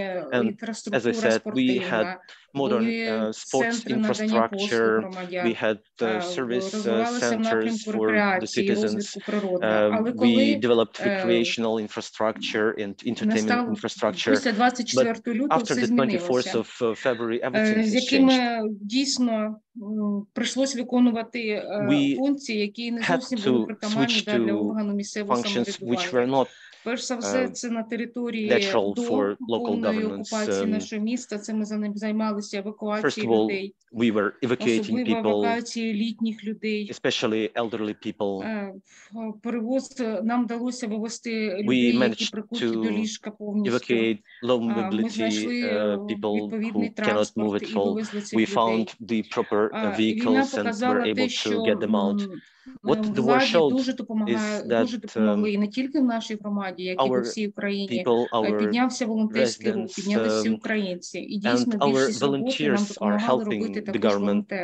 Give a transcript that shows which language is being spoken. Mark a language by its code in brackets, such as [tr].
[en] and as I said, we had modern sports infrastructure, we had service centers for the citizens, we developed recreational infrastructure and entertainment infrastructure, but after the 24th of February, everything has changed. [uk] Прийшлось виконувати функції, які не зовсім були притаманні для органу місцевого самоврядування. Перш за все, це на території до повної окупації нашого міста, це ми займалися евакуацією людей, особливо евакуацією літніх людей, [en] especially elderly people. [uk] Перевоз нам вдалося вивести людей, які прикуті до ліжка повністю. Ми знайшли відповідний транспорт і вивезли цих людей. [en] Vehicles and were able to get them out. What the war showed is that our people, our residents, and our volunteers are helping the government.